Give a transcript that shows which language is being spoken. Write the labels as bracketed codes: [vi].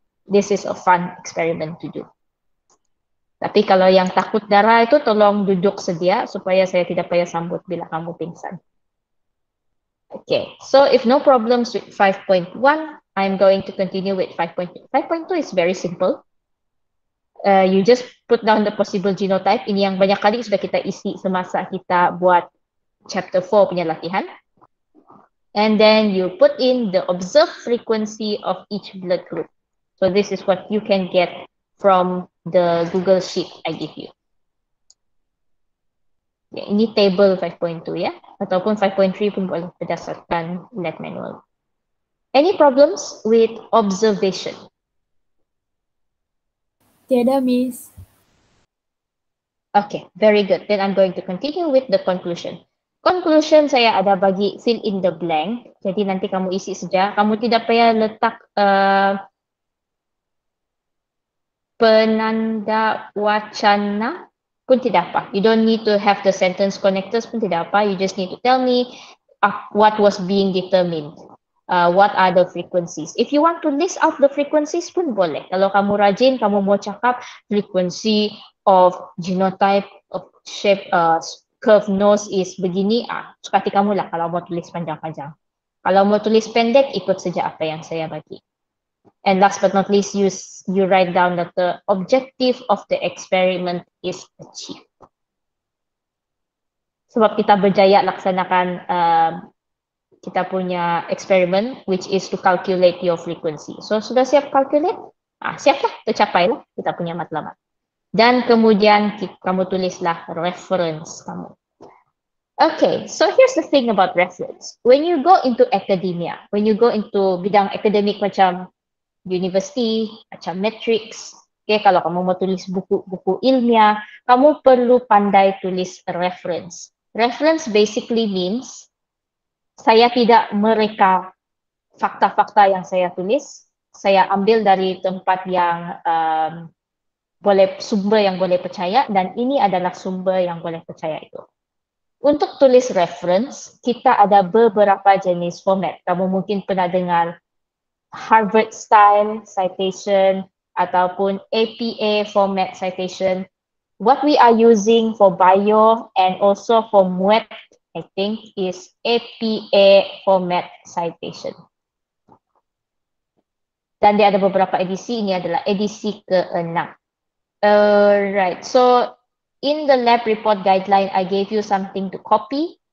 [en] This is a fun experiment to do. [ms] Tapi kalau yang takut darah itu tolong duduk sedia supaya saya tidak payah sambut bila kamu pingsan. [en] Okay, so if no problems with 5.1, I'm going to continue with 5.2. 5.2 is very simple. You just put down the possible genotype. [ms] Ini yang banyak kali sudah kita isi semasa kita buat chapter 4 punya latihan. [en] And then you put in the observed frequency of each blood group. So this is what you can get from the Google Sheet I give you. [ms] Yeah, ini table 5.2 ya. Ataupun 5.3 pun boleh berdasarkan lab manual. [en] Any problems with observation? [ms] Tiada, Miss. [en] Okay, very good. Then I'm going to continue with the conclusion. Conclusion [ms] saya ada bagi [en] fill in the blank. [ms] Jadi nanti kamu isi saja. Kamu tidak payah letak penanda wacana pun tidak apa. [en] You don't need to have the sentence connectors [ms] pun tidak apa. [en] You just need to tell me what was being determined. What are the frequencies? If you want to list out the frequencies [ms] pun boleh. Kalau kamu rajin, kamu mau cakap [en] frequency of genotype of shape curve nose is [ms] begini, suka hati kamu lah kalau mau tulis panjang-panjang. Kalau mau tulis pendek, ikut saja apa yang saya bagi. [en] And last but not least, you write down that the objective of the experiment is achieved. [ms] Sebab kita berjaya laksanakan kita punya experiment, [en] which is to calculate your frequency. [ms] So, sudah siap calculate? Siaplah, tercapailah kita punya matlamat. Dan kemudian kamu tulislah reference kamu. [en] Okay, so here's the thing about reference. When you go into [ms] academia, when you go into bidang akademik macam university, macam metrics, okay, kalau kamu mau tulis buku-buku ilmiah, kamu perlu pandai tulis reference. Reference basically means saya tidak mereka fakta-fakta yang saya tulis, saya ambil dari tempat yang boleh sumber yang boleh percaya, dan ini adalah sumber yang boleh percaya itu. Untuk tulis reference, kita ada beberapa jenis format. Kamu mungkin pernah dengar Harvard style citation ataupun APA format citation. [en] What we are using for bio and also for MUET, I think, is APA format citation. [ms] Dan dia ada beberapa edisi, ini adalah edisi ke-6. [en] Alright, so in the lab report guideline, I gave you something to copy.